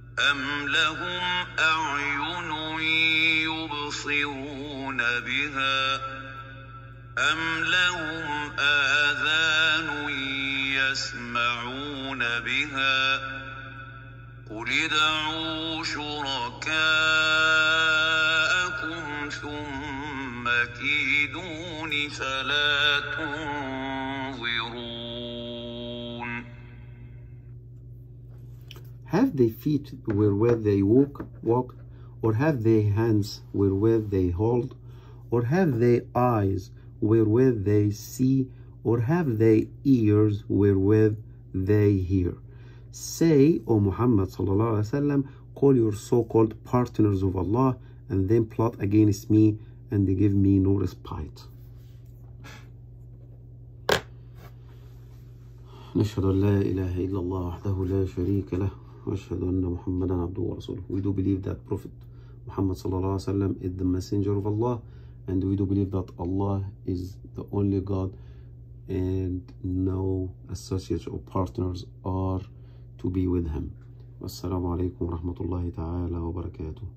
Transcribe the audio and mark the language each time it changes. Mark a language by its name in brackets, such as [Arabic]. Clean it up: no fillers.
[Arabic] أم لهم أعين يبصرون بها أم لهم آذان يسمعون بها قل ادعوا شركاءكم ثم كيدوني فلا تنظرون. [English] Have they feet wherewith they walk, or have they hands wherewith they hold, or have they eyes wherewith they see, or have they ears wherewith they hear? Say, O Muhammad [Arabic] sallallahu alayhi wa sallam, [English] call your so-called partners of Allah and then plot against me and they give me no respite. [Arabic] نشهد أن لا إله إلا الله وحده لا شريك له وأشهد أن محمدا عبده ورسوله. [English] We do believe that Prophet Muhammad [Arabic] sallallahu alayhi wa sallam [English] is the messenger of Allah and we do believe that Allah is the only God and no associates or partners are to be with him. [Arabic] Wassalamu alaikum wa rahmatullahi ta'ala wa barakatuh.